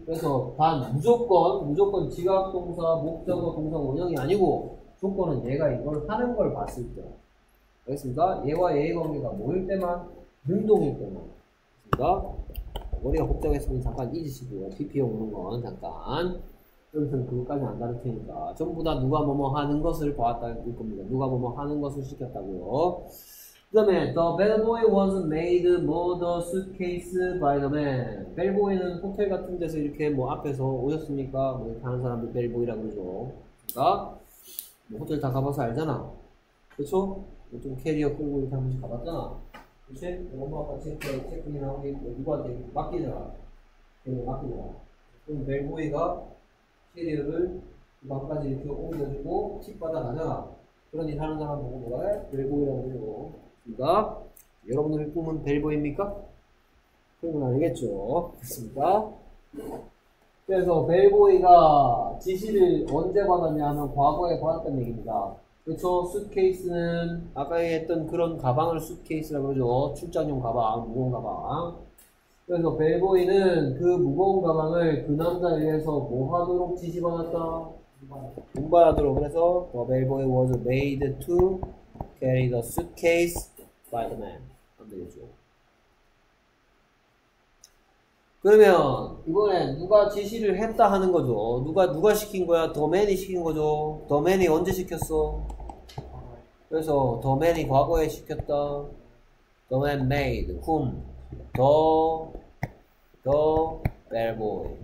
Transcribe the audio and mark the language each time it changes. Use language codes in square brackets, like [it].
[ko] 그래서 단 무조건 지각 동사, 목적어, 동사 원형이 아니고 조건은 얘가 이걸 하는 걸 봤을 때. 알겠습니까? 얘와 얘의 관계가 모일 때만, 능동일 때만. 알겠습니까? 머리가 복잡했으면 잠깐 잊으시고요. PP 오는 건 잠깐. 여기서는 그것까지 안 다룰 테니까. 전부 다 누가 뭐뭐 하는 것을 보았다는 겁니다. 누가 뭐뭐 하는 것을 시켰다고요. 그 다음에 [en] The bellboy was made more the suitcase by the man. [ko] bellboy는 호텔 같은 데서 이렇게 뭐 앞에서 오셨습니까? 뭐 이렇게 하는 사람들 bellboy라고 그러죠. 그러니까 뭐 호텔 다 가봐서 알잖아. 그쵸? 뭐 좀 캐리어 끌고 이렇게 한 번씩 가봤잖아. 그치? 엄마가 체크인 하고 뭐 누구한테 맡기잖아. 걔는 맡기잖아. 그럼 bellboy가 캐리어를 방까지 이렇게 옮겨주고 팁 받아가잖아. 그러니 하는 사람 보고 뭐라 해? 벨보이라고 해요. 그니까, 여러분들의 꿈은 벨보입니까? 그건 아니겠죠. 됐습니까? 그래서 벨보이가 지시를 언제 받았냐 하면 과거에 받았다는 얘기입니다. 그쵸? 수트케이스는 아까 얘기했던 그런 가방을 수트케이스라고 그러죠. 출장용 가방, 무거운 가방. 그래서 벨보이는 그 무거운 가방을 그 남자에 의해서 뭐 하도록 지시받았다? 운반하도록. 그래서 [en] The bellboy was made to carry the suitcase by the man. [ko] 안 되겠죠. 그러면 이번엔 누가 지시를 했다 하는 거죠. 누가 시킨 거야? The man이 시킨 거죠. The man이 언제 시켰어? 그래서 The man이 과거에 시켰다. [en] The man made whom? The bellboy.